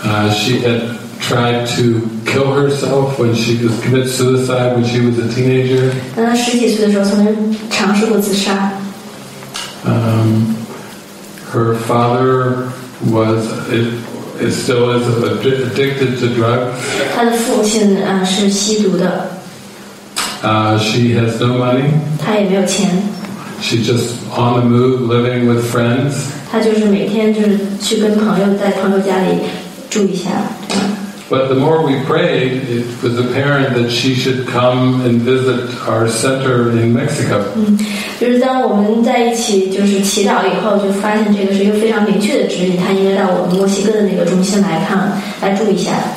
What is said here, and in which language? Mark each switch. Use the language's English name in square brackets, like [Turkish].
[English] She had tried to kill herself when she was commit suicide when she was a teenager. [Chinese] 她十几岁的时候曾经尝试过自杀。 [English] Her father was is still is addicted to drugs. [Chinese] 她的父亲是吸毒的。 [English] She has no money. [Chinese] 她也没有钱。 [English] She's just on the move, living with friends. [Chinese] 她就是每天就是去跟朋友在朋友家里住一下。 [English] But the more we prayed, it was apparent that she should come and visit our center in Mexico. [Chinese] 就是当我们在一起就是祈祷以后，就发现这个是一个非常明确的指引，她应该到我们墨西哥的那个中心来看，来住一下。